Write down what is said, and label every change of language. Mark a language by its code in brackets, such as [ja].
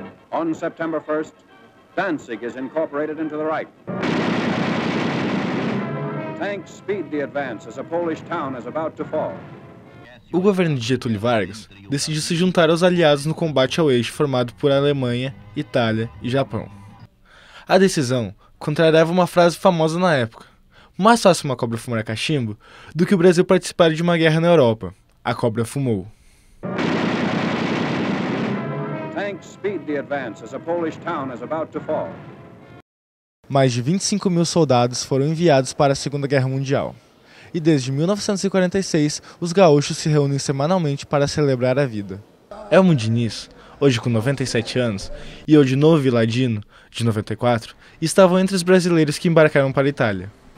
[en] On September 1st, Danzig is incorporated into the Reich. Tanks speed the advance as a Polish town is about to fall. [pt] O governo de Getúlio Vargas decidiu se juntar aos aliados no combate ao Eixo formado por Alemanha, Itália e Japão. A decisão contrariava uma frase famosa na época: mais fácil uma cobra fumar cachimbo do que o Brasil participar de uma guerra na Europa. A cobra fumou. [en] Tanks speed the advance as a Polish town is about to fall. [pt] Mais de 25 mil soldados foram enviados para a Segunda Guerra Mundial. E desde 1946, os gaúchos se reúnem semanalmente para celebrar a vida. Elmo Diniz, hoje com 97 anos, e Odinovo Viladino, de 94, estavam entre os brasileiros que embarcaram para a Itália.